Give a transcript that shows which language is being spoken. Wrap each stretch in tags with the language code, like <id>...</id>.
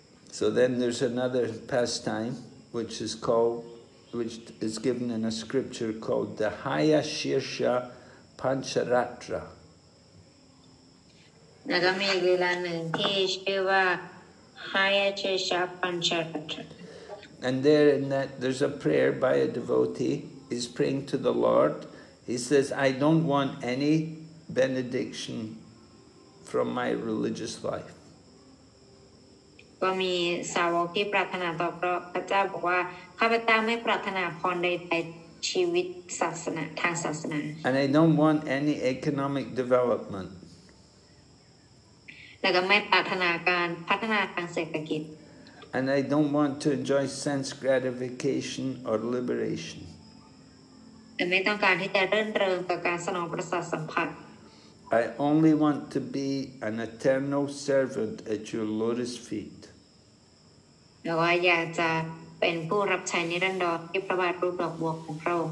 <en>So then there's another pastime which is given in a scripture called the Haya Shirsha Pancharatra.</en> <th>แล้วก็มีเวลาหนึ่งที่ชื่อว่าหายใจชาปัญชรัต</th> <en>น์ And there in that there's a prayer by a devotee. He's praying to the Lord. He says, "I don't want any benediction from my religious life."</en> <th>ก็มีสาวกที่ปรารถนาต่อพระเจ้าบอกว่าข้าพเจ้าไม่ปรารถนาพรใดในชีวิตศาสนาทางศาสนา</th> <en>And I don't want any economic development.</en> <th>แล้วก็ไม่ปรารถนาการพัฒนาทางเศรษฐกิจ</th> <en>And I don't want to enjoy sense gratification or liberation.</en> <th>แต่ไม่ต้องการที่จะเรื่นเริงต่อการสนองประสาทสัมผัส</th> <en>I only want to be an eternal servant at your lotus feet.</en> <th>แล้วว่าอยากจะเป็นผู้รับใช้นิรันดรที่พระบาทรูปดอกบัวของพระองค</th>